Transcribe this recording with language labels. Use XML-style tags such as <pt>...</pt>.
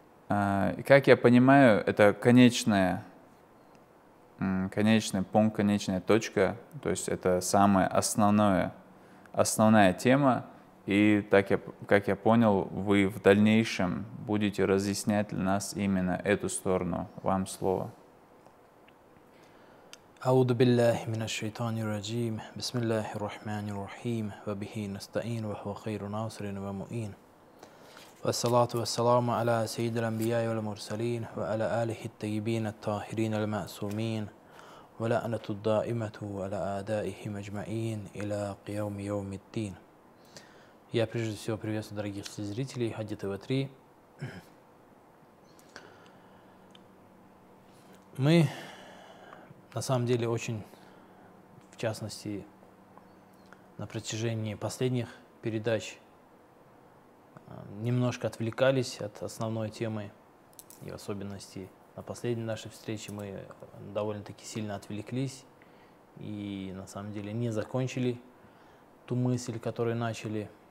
<ru>И как я понимаю, это конечная точка, то есть это самая основная тема. И так как я понял, вы в дальнейшем будете разъяснять для нас именно эту сторону. Вам слово.</ru> <ar>أعوذ بالله من الشيطان الرجيم. بسم الله الرحمن الرحيم. وبه نستعين وهو خير ناصر ومؤين. والصلاة والسلام على سيد الأنبياء والمرسلين وعلى آله الطيبين الطاهرين المعصومين ولعنة الدائمة على أعدائهم أجمعين إلى قيام يوم الدين.</ar> <ru>Я прежде всего приветствую дорогих зрителей Хадди ТВ-3. Мы на самом деле очень, в частности, на протяжении последних передач немножко отвлекались от основной темы, и в особенности на последней нашей встрече мы довольно-таки сильно отвлеклись и на самом деле не закончили ту мысль, которую начали.</ru>